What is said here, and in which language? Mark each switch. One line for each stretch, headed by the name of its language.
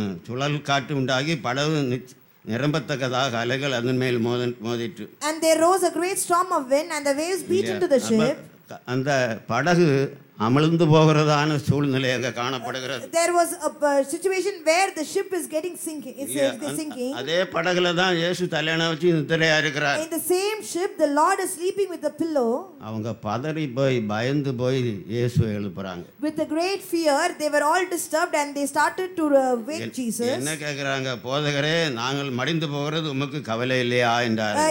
Tamil: சுழல் காற்று உண்டாகி படகு நிரம்பத்தக்கதாக அலைகள் அதன் மேல் மோதிற்று.
English: And there rose a great storm of wind and the waves beat into the ship.
Tamil: அந்த படகு அமிழ்ந்து போகிறதான சூழ்நிலை அங்க காணப்படுகிறது.
English: There was a situation where the ship is getting sinking.
Tamil: அதே படகுல தான் இயேசு தலையணை வச்சு நித்திரையா இருக்கிறார்.
English: In the same ship the Lord is sleeping with a pillow.
Tamil: அவங்க பதறி போய் பயந்து போய் இயேசுவை எழுப்புறாங்க.
English: With a great fear they were all disturbed and they started to wake Jesus.
Tamil: என்ன கேக்குறாங்க? போதகரே நாங்கள் மடிந்து போகிறது உமக்கு கவலை இல்லையா என்றார்.